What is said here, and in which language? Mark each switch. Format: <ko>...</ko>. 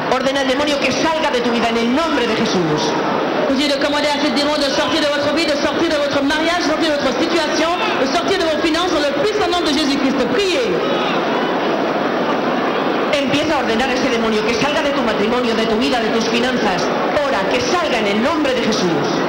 <es>Ordena al demonio que salga de tu vida en el nombre de Jesús.</es> <fr>Continue de commander à ce démon de sortir de votre vie, de sortir de votre mariage, de sortir de votre situation, de sortir de vos finances en le puissant nom de Jésus-Christ. Priez.</fr> <es>Empieza a ordenar ese demonio que salga de tu matrimonio, de tu vida, de tus finanzas. Ora, que salga en el nombre de Jesús.</es>